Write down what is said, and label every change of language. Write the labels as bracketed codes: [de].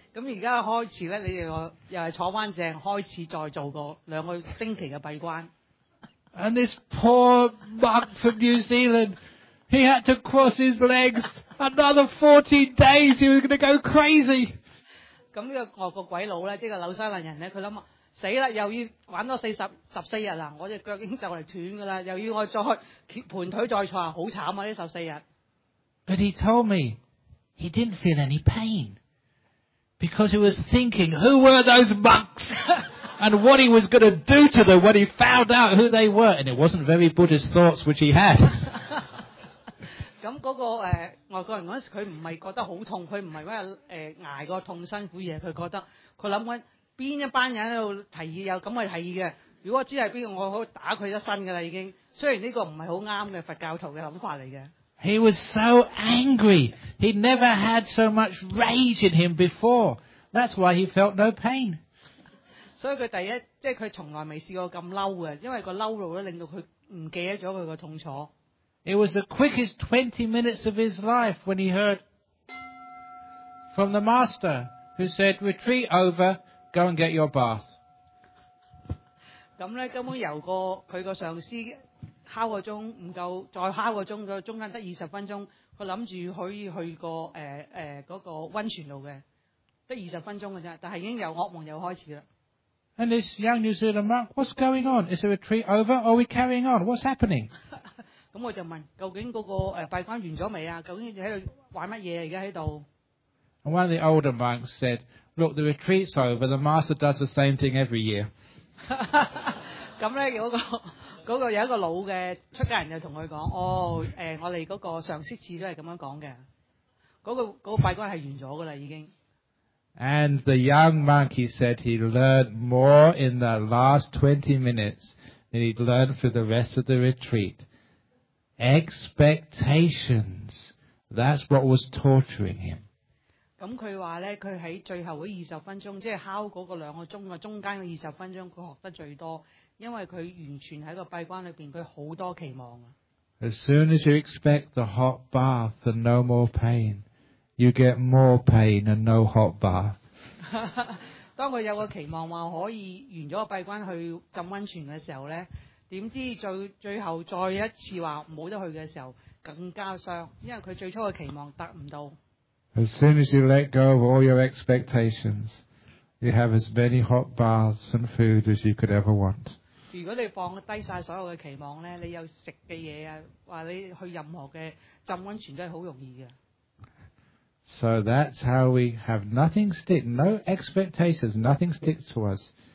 [yue] 咁而家開始咧，你哋又係坐翻正，開始再做個2星期嘅閉關。 [en] And this poor monk from New Zealand, he had to cross his legs another 14 days. He was going to go crazy. [yue] 咁呢個外國鬼佬咧，即係紐西蘭人咧，佢諗死啦！又要玩多14日啦，我只腳已經就嚟斷噶啦，又要我再盤腿再坐，好慘啊！呢14日。 [en] But he told me he didn't feel any pain because he was thinking who were those monks and what he was going to do to them when he found out who they were, and it wasn't very Buddhist thoughts which he had. [yue] 咁嗰個外國人嗰陣時，佢唔係覺得好痛，佢唔係因為捱個痛辛苦嘢，佢覺得佢諗緊。邊一班人喺度提議有咁嘅提議嘅？如果知係邊個，我可以打佢一身噶啦已經。雖然呢個唔係好啱嘅佛教徒嘅諗法嚟嘅。 [en] He was so angry. He never had so much rage in him before. That's why he felt no pain. [yue] 所以佢第一，即係佢從來未試過咁嬲嘅，因為個嬲怒咧令到佢唔記得咗佢個痛楚。 [en] It was the quickest 20 minutes of his life when he heard from the master who said, "Retreat over." Go and get your bath. [yue] 咁咧，根本由個佢個上司敲個鐘唔夠，再敲個鐘，個中間得20分鐘，佢諗住可以去個嗰個温泉度嘅，得20分鐘嘅啫。但係已經由噩夢又開始啦。 [en] And this young New Zealand monk, what's going on? Is the retreat over? Are we carrying on? What's happening? [yue] 咁我就問，究竟嗰個閉關完咗未啊？究竟喺度玩乜嘢啊？而家喺度。 [en] And one of the older monks said. Look, the retreat's over. The master does the same thing every year. [yue] 咁咧，嗰個有一個老嘅出家人就同佢講：哦，我哋嗰個上司次都係咁樣講嘅。嗰個閉關係完咗噶啦，已經。 [en] And the young monk, he said, he learned more in the last 20 minutes than he'd learned through the rest of the retreat. Expectations. That's what was torturing him. [yue] 咁佢話咧，佢喺最後嗰20分鐘，即係敲嗰個2個鐘嘅中間嘅20分鐘，佢學得最多，因為佢完全喺個閉關裏邊，佢好多期望啊。 [en] As soon as you expect the hot bath and no more pain, you get more pain and no hot bath. [yue] 當佢有個期望話可以完咗個閉關去浸温泉嘅時候咧，點知最後再一次話冇得去嘅時候，更加伤，因为佢最初嘅期望得唔到。 [en] As soon as you let go of all your expectations, you have as many hot baths and food as you could ever want. [yue] 如果你放低晒所有嘅期望咧，你有食嘅嘢啊，或你去任何嘅浸温泉都系好容易嘅。 [en] So that's how we have nothing stick, no expectations, nothing stick to us.